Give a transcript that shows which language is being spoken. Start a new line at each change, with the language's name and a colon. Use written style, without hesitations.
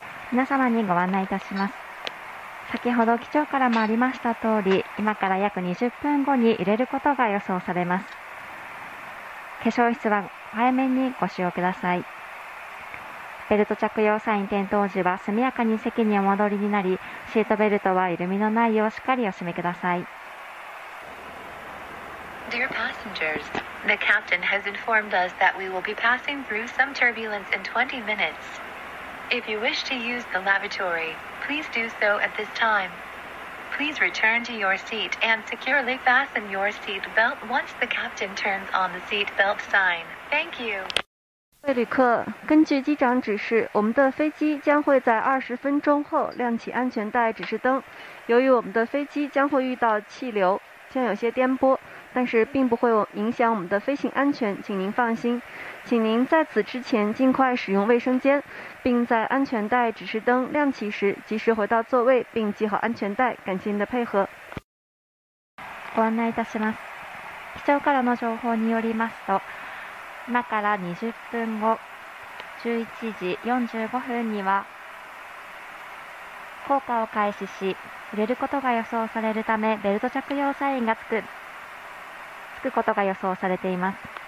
Japanese: 皆様にご案内いたします。先ほど機長からもありました通り、今から約20分後に揺れることが予想されます。化粧室は早めにご使用ください。ベルト着用サイン点灯時は速やかに席にお戻りになり、シートベルトは緩みのないようしっかりお締めください。
English: Dear passengers, the captain has informed us that we will be passing through some turbulence in 20 minutes. If you wish to use the lavatoryPlease do so at this time. Please return to your seat and securely fasten your seat belt once the captain turns on the seat belt sign. Thank you.
Chinese: 各位旅客，根据机长指示，我们的飞机将会在20分钟后亮起安全带指示灯。由于我们的飞机将会遇到气流，将有些颠簸，但是并不会影响我们的飞行安全，请您放心。请您在此之前尽快使用卫生间，并在安全带指示灯亮起时及时回到座位并系好安全带。感谢您的配合。
Japanese: ご案内いたします。機長からの情報によりますと、今から20分後11時45分には降下を開始し、揺れることが予想されるためベルト着用サインがつくことが予想されています。